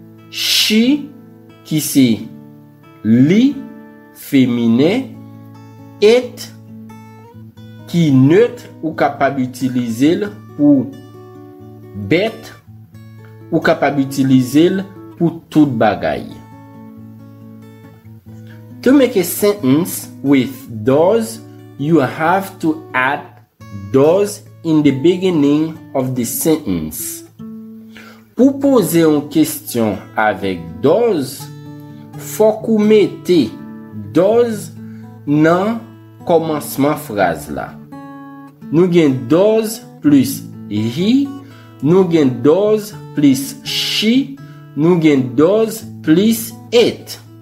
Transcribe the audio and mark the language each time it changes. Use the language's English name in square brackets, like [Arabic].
[French] She, qui c'est li, féminin. It, qui neutre ou capable d'utiliser pour bête ou capable d'utiliser pour toute bagaille. [English] To make a sentence with does, you have to add does in the beginning of the sentence. [French] Pour poser une question avec does, faut qu'on mette does dans le commencement de la phrase. Là. Nous avons does plus he, nous avons does plus she, nous avons does plus it.